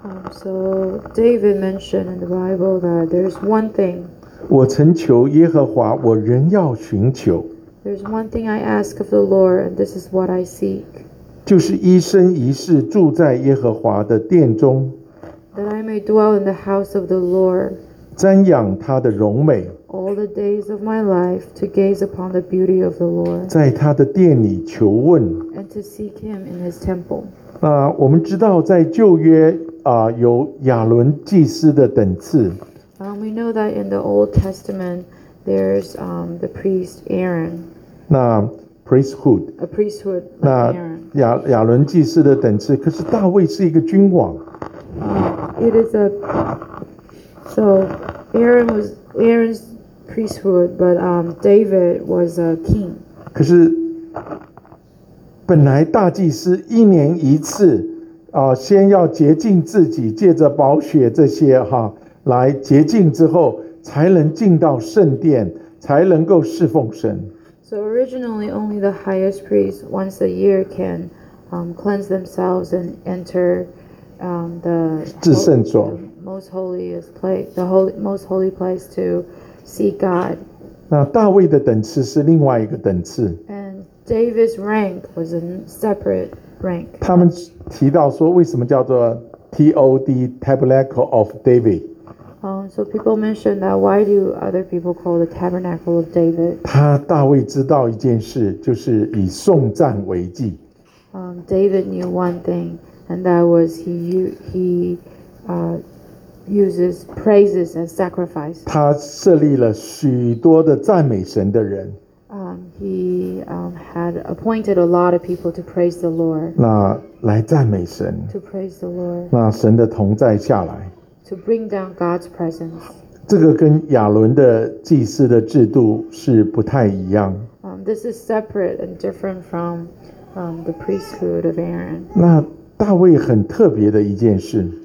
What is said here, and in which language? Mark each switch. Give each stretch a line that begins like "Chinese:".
English: So David mentioned in the Bible that there's one thing.
Chinese: 我曾求耶和华，我仍要寻求。
English: There's one thing I ask of the Lord, and this is what I seek.
Chinese: 就是一生一世住在耶和华的殿中。
English: That I may dwell in the house of the Lord.
Chinese: 瞻仰他的荣美。
English: All the days of my life to gaze upon the beauty of the Lord.
Chinese: 在他的殿里求问。
English: To seek him in his temple.
Chinese: 那我们知道在旧约有亚伦祭司的等次。
English: We know that in the Old Testament there's the priest Aaron. 那 priesthood. A priesthood. Like 那
Chinese: 亚伦祭司的等次，可是大卫是一个君王。
English: So Aaron's priesthood, but David was a king.
Chinese: 可是。本来大祭司一年一次，先要洁净自己，借着宝血这些哈来洁净之后，才能进到圣殿，才能够侍奉神。
English: So originally, only the highest priest once a year can cleanse themselves and enter the most holy place to see God.
Chinese: 那大卫的等次是另外一个等次。
English: And David's rank was a separate rank.
Chinese: 他们提到说，为什么叫做
English: TOD Tabernacle of David？ So people mentioned that why do other people call the Tabernacle of David?
Chinese: 他大卫知道一件事，就是以颂赞为祭。
English: David knew one thing, and that was he uses praises and sacrifice.
Chinese: 他设立了许多的赞美神的人。
English: He had appointed a lot of people to praise the Lord.
Chinese: 那来赞美神。
English: To praise the Lord.
Chinese: 那神的同在下来。
English: To bring down God's presence.
Chinese: 这个跟亚伦的祭司的制度是不太一样。
English: This is separate and different from the priesthood of Aaron.
Chinese: 那大卫很特别的一件事。